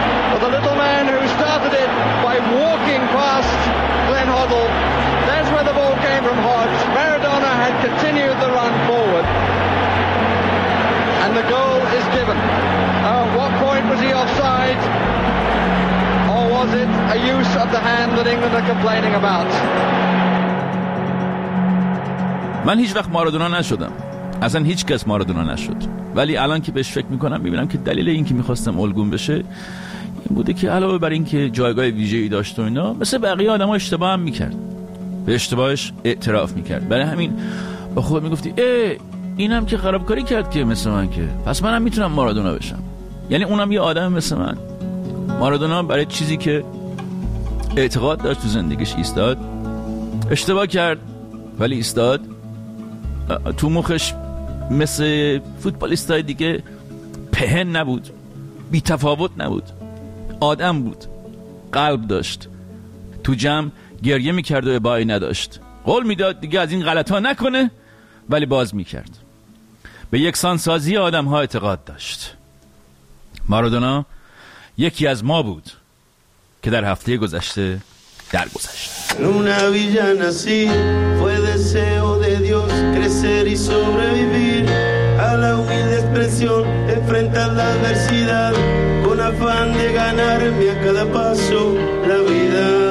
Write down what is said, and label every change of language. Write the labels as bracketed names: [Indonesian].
[English] But the little man who started it by walking past Glenn Hoddle, that's where the ball came from Hodge. Maradona had continued the run forward. And the goal is given. At what point was he offside? Was it a use of the hand that England are complaining about? [Persian] من هیچ وقت مارادونا نشدم، اصلا هیچ کس مارادونا نشد، ولی الان که بهش فکر میکنم میبینم که دلیل این که میخواستم الگون بشه این بوده که علاوه بر این که جایگاه ویژه‌ای داشت و اینا، مثل بقیه آدم ها اشتباه هم میکرد، به اشتباهش اعتراف میکرد. برای همین با خود میگفتی ای اینم که خرابکاری کرد که مثل من، که پس منم میتونم مارادونا بشم، یعنی اونم یه آدم مثل من. مارادونا برای چیزی که اعتقاد داشت تو زندگیش ایستاد، اشتباه کرد ولی ایستاد. تو مخش مثل فوتبالیستای دیگه پهن نبود، بی تفاوت نبود، آدم بود، قلب داشت. تو جمع گریه میکرد و ابایی نداشت، قول میداد دیگه از این غلط ها نکنه ولی باز میکرد. به یکسان سازی آدم ها اعتقاد داشت. مارادونا یکی از ما بود که در هفته گذشته درگذشت. [Spanish] Luna villa nací, fue deseo de Dios crecer y sobrevivir a la humilde expresión, enfrentar la adversidad con afán de ganarme a cada paso la vida.